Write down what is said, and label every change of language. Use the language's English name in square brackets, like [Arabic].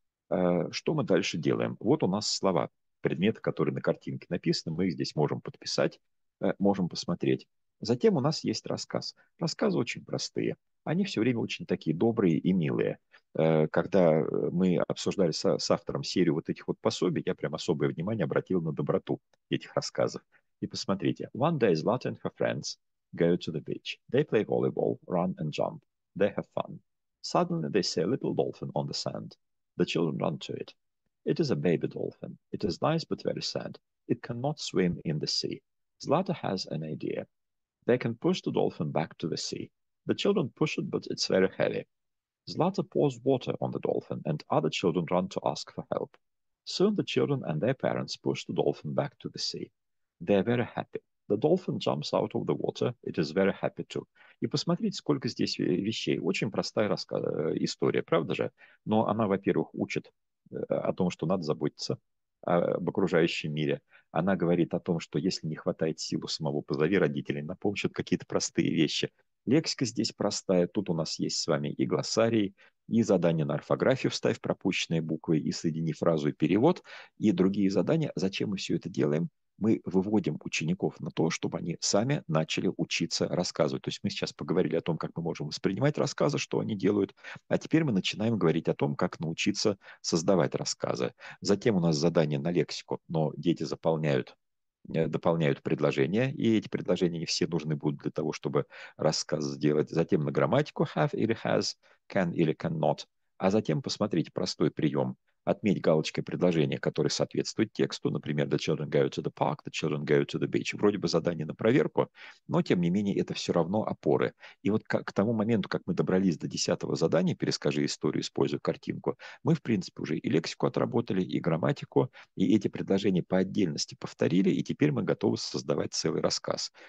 [Russian] Что мы дальше делаем? Вот у нас слова, предметы, которые на картинке написаны, мы их здесь можем подписать, можем посмотреть. Затем у нас есть рассказ. Рассказы очень простые. Они все время очень такие добрые и милые. Когда мы обсуждали с автором серию вот этих вот пособий, я прям особое внимание обратил на доброту этих рассказов. И посмотрите. [English] One day Zlata and her friends go to the beach. They play volleyball, run and jump. They have fun. Suddenly they see a little dolphin on the sand. The children run to it. It is a baby dolphin. It is nice but very sad. It cannot swim in the sea. Zlata has an idea. They can push the dolphin back to the sea. The children push it, but it's very heavy. Zlata pours water on the dolphin, and other children run to ask for help. Soon the children and their parents push the dolphin back to the sea. They are very happy. The dolphin jumps out of the water. It is very happy too. [Russian] И посмотрите, сколько здесь вещей. Очень простая история, правда же? Но она, во-первых, учит о том, что надо заботиться об окружающем мире. Она говорит о том, что если не хватает силы самого, позови родителей на помощь, это какие-то простые вещи. Лексика здесь простая. Тут у нас есть с вами и глоссарий, и задание на орфографию, вставь пропущенные буквы и соедини фразу и перевод, и другие задания. Зачем мы все это делаем? Мы выводим учеников на то, чтобы они сами начали учиться рассказывать. То есть мы сейчас поговорили о том, как мы можем воспринимать рассказы, что они делают, а теперь мы начинаем говорить о том, как научиться создавать рассказы. Затем у нас задание на лексику, но дети заполняют дополняют предложения, и эти предложения не все нужны будут для того, чтобы рассказ сделать. Затем на грамматику have или has, can или cannot. А затем посмотрите простой прием. Отметь галочкой предложение, которое соответствует тексту. Например, [English] the children go to the park, the children go to the beach. [Russian] Вроде бы задание на проверку, но, тем не менее, это все равно опоры. И вот к тому моменту, как мы добрались до 10-го задания, перескажи историю, используя картинку, мы, в принципе, уже и лексику отработали, и грамматику, и эти предложения по отдельности повторили, и теперь мы готовы создавать целый рассказ.